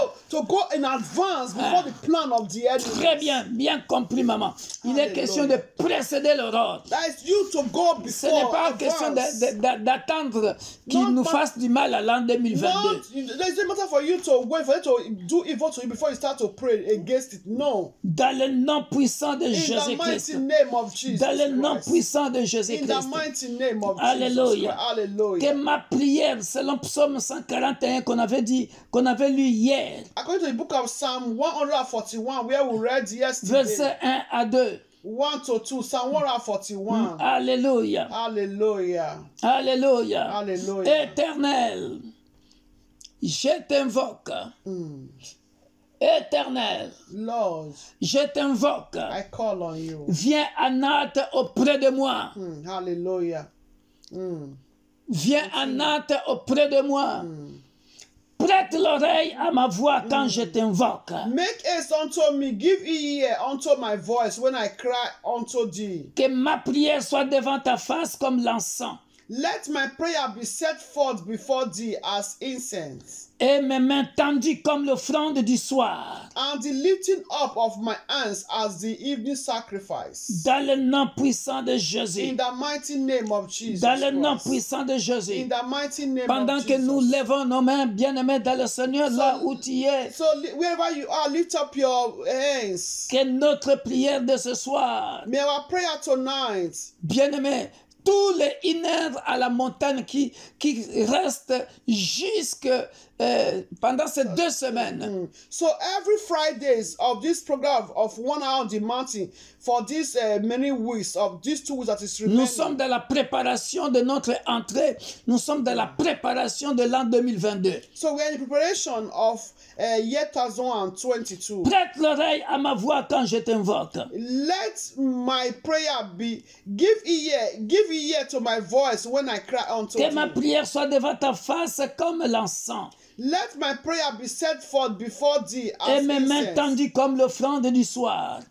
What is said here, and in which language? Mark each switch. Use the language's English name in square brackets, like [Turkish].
[English] To go in advance before the plan of the enemy. [French] Très bien, bien compris, maman. Il est question de précéder l'aurore. [English] That is you to go before. [French] Ce n'est pas question d'attendre qu'il nous fasse du mal à l'an 2022. [English] It's not matter for you to wait for it to do evil to you before you start to pray against it. No. [French] Dans le nom puissant de Jésus Christ. [English] In the mighty name of Jesus. [French] Dans le nom puissant de Jésus Christ. [English] In the mighty name of Jesus. [French] Alléluia. Alléluia. Que ma prière, selon Psaume 141 qu'on avait lu hier. [English] According to the book of Psalm 141, where we read yesterday, verses 1 to 2. 1 to 2, Psalm 141. [French] Alléluia. Alléluia. Alléluia. Alléluia. Éternel, je t'invoque. Éternel, [English] Lord, [French] je t'invoque. [English] I call on you. [French] Viens en hâte auprès de moi. Alléluia. Viens en hâte auprès de moi. Prête l'oreille à ma voix quand je t'invoque. [English] Make haste unto me, give ear unto my voice when I cry unto thee. [French] Que ma prière soit devant ta face comme l'encens. [English] Let my prayer be set forth before thee as incense. [French] Et mes mains tendues comme l'offrande du soir. [English] And the lifting up of my hands as the evening sacrifice. [French] Dans le nom puissant de Jésus. [English] In the mighty name of Jesus. [French] Dans le nom puissant de Jésus. [English] In the mighty name of Jesus. [French] Pendant que nous levons nos mains, bien-aimés dans le Seigneur, là où tu es. [English] So wherever you are, lift up your hands. [French] Que notre prière de ce soir. [English] May our prayer tonight. [French] Bien-aimés. tous les inerts à la montagne qui restent jusque pendant ces deux semaines. Mm. [English] So every Fridays of this program of 1 hour on the mountain for this many weeks of these 2 weeks that is remaining. [French] Nous sommes dans la préparation de notre entrée. Nous sommes dans la préparation de l'an 2022. [English] So we are in the preparation of year 2022. [French] Prête l'oreille à ma voix quand je t'invoque. [English] Let my prayer be give ear to my voice when I cry unto [French] que [English] thee. [French] Ma prière soit devant ta face comme l'encens. [English] Let my prayer be set forth before thee as incense. [French] Et mes mains tendues comme l'offrande du soir.